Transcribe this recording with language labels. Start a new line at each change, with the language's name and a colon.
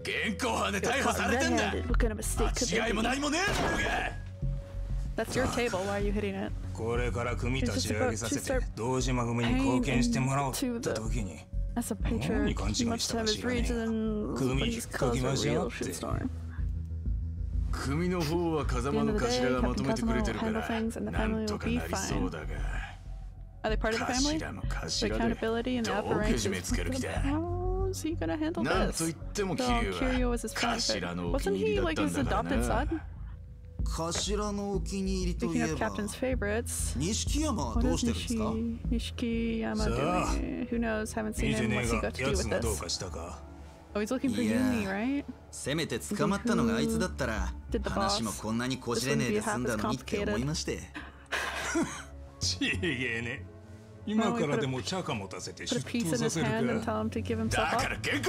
Japanese: 現行犯で逮捕されてんだ。
English: What kind of mistake could it be?
Japanese: 間違いも何もねえ。
English: That's your table. Why are you hitting it?
Japanese: これから組立ち上げさせて道島組に貢献してもらおうって時に。
English: As a patriarch, he must have his reach and then he's caused a real shitstorm. At the end of the day, Captain Kazuma will handle things and the family will be fine. Are they part of the family? The accountability and the upper ranks of the family? How is he gonna handle this? Though Kiryu was his friend. Wasn't he like his adopted son? Speaking of Captain's favorites, what is Nishikiyama doing? Who knows? Haven't seen him. What's he got to do with this? Oh, he's looking for Yumi, right?
Japanese: せめて捕まったのがあいつだったら、話もこんなにこじれねえで済んだのにって思いまして。ちげえね。今からでもチャカ持たせて出頭させるか。だから現